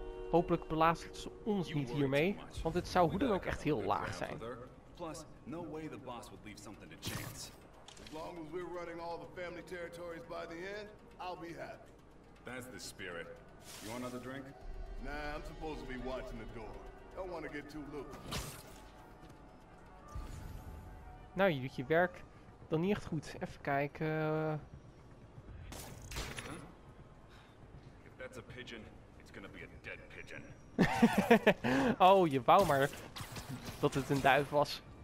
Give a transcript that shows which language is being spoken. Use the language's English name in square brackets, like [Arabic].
[Dutch] Hopelijk belaast ze ons niet hiermee, want het zou hoe dan ook echt heel laag zijn. [English] Plus, no way the boss would leave something to chance. As long as we're running all the family territories by the end, I'll be happy. That's the spirit. You want another drink? Nah, I'm supposed to be watching the door. Don't want to get too loose. [Dutch] Nou, je doet je werk dan niet echt goed. Even kijken. [English] That's a pigeon. It's gonna be a dead pigeon. [Dutch] Oh, je wou maar dat het een duif was.